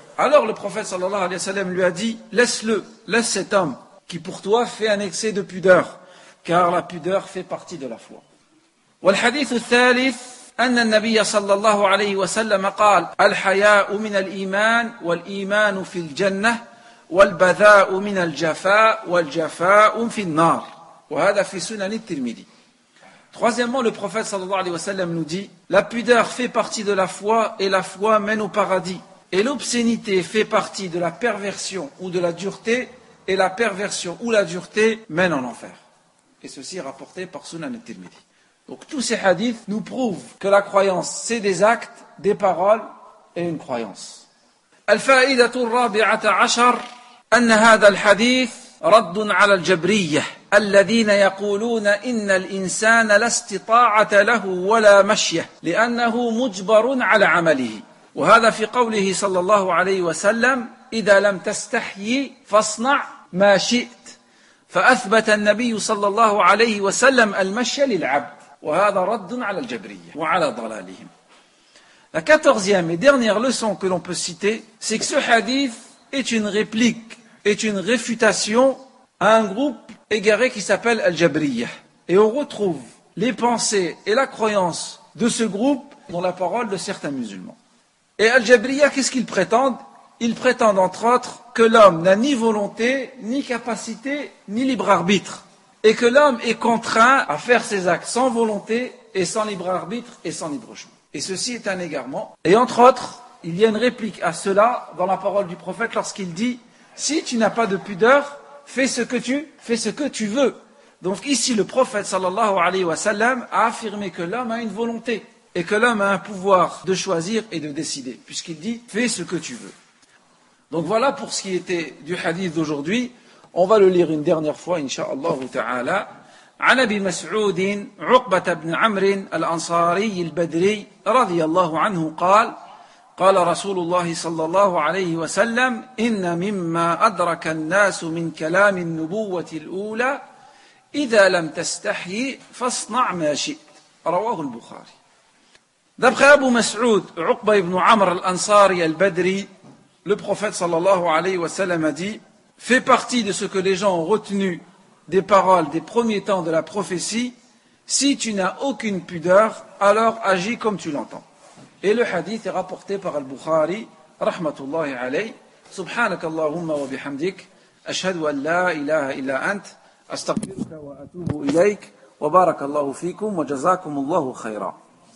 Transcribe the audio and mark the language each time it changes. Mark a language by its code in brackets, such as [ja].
[fr] Alors le prophète [ar] sallallahu alayhi wa sallam [fr] lui a dit, laisse-le, laisse cet homme qui pour toi fait un excès de pudeur. Car la pudeur fait partie de la foi. [ar] والحديث الثالث أن النبي صلى الله عليه وسلم قال الحياء من الإيمان والإيمان في الجنة والبذاء من الجفاء والجفاء في النار. وهذا في سنن الترمذي. [fr] Troisièmement, le prophète [ar] صلى الله عليه وسلم [fr] nous dit la pudeur fait partie de la foi et la foi mène au paradis et l'obscénité fait partie de la perversion ou de la dureté et la perversion ou la dureté mène en enfer. Et ceci est rapporté par Sunan al-Tirmidhi. Donc tous ces hadiths nous prouvent que la croyance c'est des actes, des paroles et une croyance. [ar] الفائدة الرابعة عشر أن هذا الحديث رد على الجبرية الذين يقولون إن الإنسان لا استطاعة له ولا مشية لأنه مجبر على عمله. وهذا في قوله صلى الله عليه وسلم إذا لم تستحي فاصنع ما شئت. فأثبت النبي صلى الله عليه وسلم المشي للعبد وهذا رد على الجبرية وعلى ضلالهم. [fr] La quatorzième et dernière leçon que l'on peut citer, c'est que ce hadith est une réplique, est une réfutation à un groupe égaré qui s'appelle Al-Jabriya. Et on retrouve les pensées et la croyance de ce groupe dans la parole de certains musulmans. Et Al-Jabriya, qu'est-ce qu'ils prétendent ? Ils prétendent entre autres que l'homme n'a ni volonté, ni capacité, ni libre arbitre. Et que l'homme est contraint à faire ses actes sans volonté, et sans libre arbitre, et sans libre choix. Et ceci est un égarement. Et entre autres, il y a une réplique à cela dans la parole du prophète lorsqu'il dit « Si tu n'as pas de pudeur, fais ce que tu veux ». Donc ici le prophète [ar] sallallahu alayhi wa sallam [fr] a affirmé que l'homme a une volonté et que l'homme a un pouvoir de choisir et de décider, puisqu'il dit « Fais ce que tu veux ». Donc voilà pour ce qui était du hadith d'aujourd'hui. On va le lire une dernière fois, [ar] incha'Allah ta'ala. عن أبي مسعود عقبة بن عمرو الأنصاري البدري رضي الله عنه قال قال رسول الله صلى الله عليه وسلم إن مما أدرك الناس من كلام النبوة الأولى إذا لم تستحي فاصنع ما شئت. رواه البخاري. [fr] D'après أبو مسعود عقبة بن عمرو الأنصاري البدري, le prophète [ar] صلى الله عليه وسلم [fr] a dit fait partie de ce que les gens ont retenu des paroles des premiers temps de la prophétie, si tu n'as aucune pudeur, alors agis comme tu l'entends. Et le hadith est rapporté par Al-Bukhari, [ar] rahmatullahi alayh, سبحانك اللهم وبحمدك أشهد أن لا إله إلا أنت أستغفرك وأتوب إليك وبارك الله فيكم وجزاكم الله خيرا.